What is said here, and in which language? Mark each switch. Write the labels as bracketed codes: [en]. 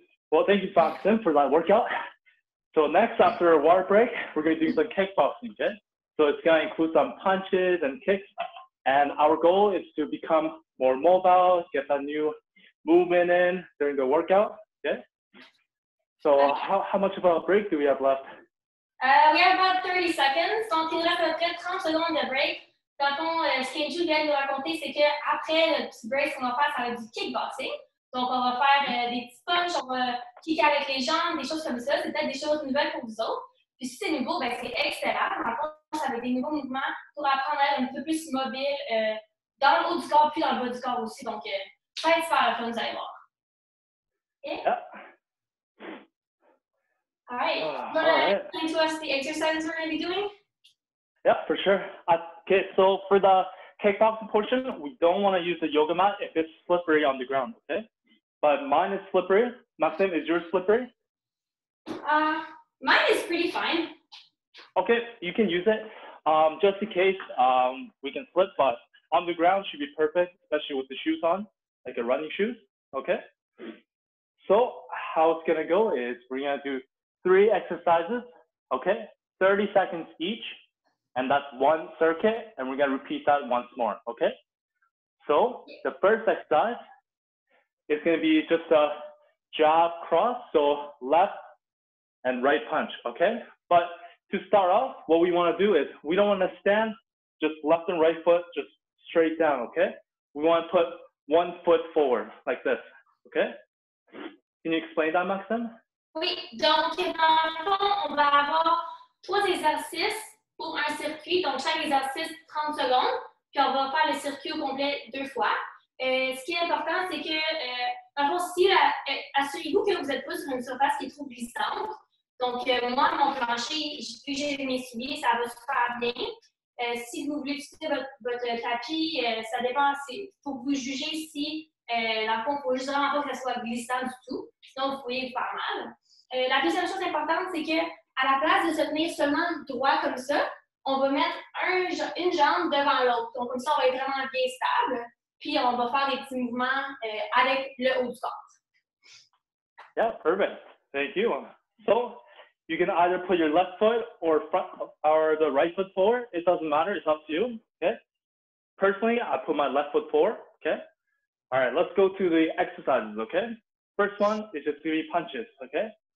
[en] Well, thank you, Foxen, for that workout. So, next, after a water break, we're gonna do some kickboxing, okay? So it's going to include some punches and kicks. And our goal is to become more mobile, get that new movement in during the workout. Okay? So how much of a break do we have left? We have about 30 seconds. [fr] Donc, il nous reste à peu près 30 secondes de break. Dans le fond, ce que Jude vient de nous raconter, c'est qu'après le petit break, ce qu'on va faire, ça va être du kickboxing. Donc, on va faire des petits punches, on va kicker avec les jambes, des choses comme ça. C'est peut-être des choses nouvelles pour vous autres. Puis si c'est nouveau, ben c'est excellent. Par contre, ça va être des nouveaux mouvements pour apprendre à être un peu plus mobile dans le haut du corps puis dans le bas du corps aussi. Donc, ça va être super, vous allez voir. OK? [en] Yeah. All right. You want to explain to us the exercises we're going to be doing? Yeah, for sure. Okay, so for the kickboxing portion, we don't want to use the yoga mat if it's slippery on the ground, okay? But mine is slippery. Maxime, is yours slippery? Mine is pretty fine. Okay, you can use it. Just in case, we can slip, but on the ground should be perfect, especially with the shoes on, like a running shoe, okay? So how it's going to go is we're going to do three exercises, okay? 30 seconds each, and that's one circuit, and we're going to repeat that once more, okay? So the first exercise is going to be just a jab cross, so left and right punch, okay? But to start off, what we want to do is we don't want to stand just left and right foot, just straight down, okay? We want to put one foot forward like this, okay? Can you explain that, Maxymme? [fr] Oui, donc dans le fond, on va avoir trois exercices pour un circuit. Donc chaque exercice 30 secondes, puis on va faire le circuit au complet deux fois. Ce qui est important, c'est que, dans le fond, si, assurez-vous que vous n'êtes pas sur une surface qui est trop glissante. Donc moi, mon plancher, plus j'ai mes souliers, ça va super bien. Si vous voulez utiliser votre tapis, ça dépend, c'est pour vous juger si. La pompe, il faut juste vraiment pas que ça soit glissant du tout, sinon vous pouvez vous faire mal. La deuxième chose importante, c'est que à la place de se tenir seulement droit comme ça, on va mettre une jambe devant l'autre. Donc comme ça, on va être vraiment bien stable, puis on va faire des petits mouvements avec le haut du corps. [en] Yeah, perfect. Thank you. So, you can either put your left foot or front or the right foot forward. It doesn't matter. It's up to you. Okay. Personally, I put my left foot forward. Okay. All right, let's go to the exercises, okay? First one is just three punches, okay?